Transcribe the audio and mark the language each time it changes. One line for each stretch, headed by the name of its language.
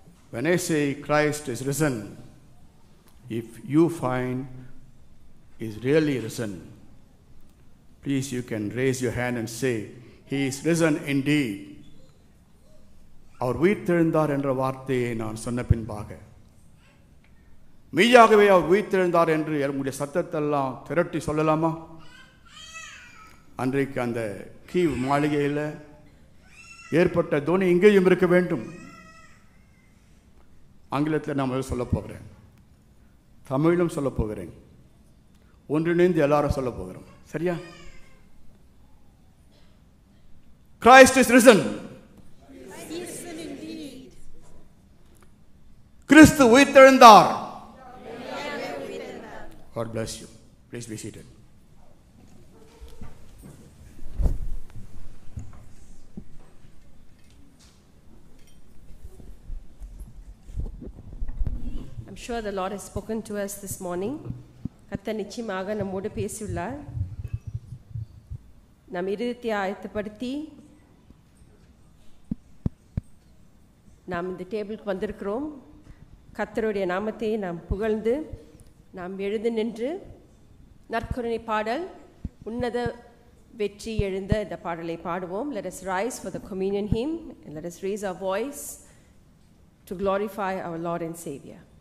English: When I say Christ is risen, if you find he is really risen, please you can raise your hand and say, "He is risen indeed."
Tamil: அவர் உயிர்த்தெழுந்தார் என்ற வார்த்தையை நான் சொன்ன பின்பாக, மெய்யாகவே அவர் உயிர்த்தெழுந்தார் என்று உங்களுடைய சத்தத்தெல்லாம் திரட்டி சொல்லலாமா? அன்றைக்கு அந்த கீவ் மாளிகையில் ஏற்பட்ட தோனி இங்கேயும் இருக்க வேண்டும். ஆங்கிலத்தில் நான் சொல்ல போகிறேன், தமிழிலும் சொல்ல போகிறேன், ஒன்றிணைந்து எல்லாரும் சொல்ல போகிறோம். சரியா?
English: Christ is risen.
Tamil: கிறிஸ்து உயிர்த்தெழுந்தார்.
English: God bless you. Please be seated. Sure, the Lord has spoken to us this morning.
Tamil: கர்த்தர் நிச்சயமாக நம்மோடு பேசியுள்ளார். நம் இருதயத்தை ஆயத்தப்படுத்தி நாம் இந்த டேபிளுக்கு வந்திருக்கிறோம். கர்த்தருடைய நாமத்தை நாம் புகழ்ந்து நாம் எழுந்து நின்று நற்கருணை பாடல், உன்னத வெற்றி எழுந்த இந்த பாடலை பாடுவோம்.
English: Let us rise for the communion hymn and let us raise our voice to glorify our Lord and Savior.